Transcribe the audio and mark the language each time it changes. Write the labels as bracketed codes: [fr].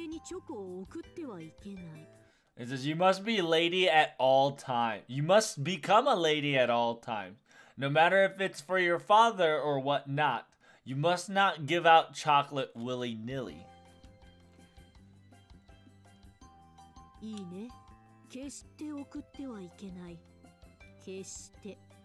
[ja] いかなる時もレディーたれ。たとえ父親であろうと、軽々にチョコを送ってはいけない。 [en] It says, you must be lady at all times. You must become a lady at all times. No matter if it's for your father or whatnot, you must not give out chocolate willy-nilly. [ja] いいね。決して送ってはいけない。決して。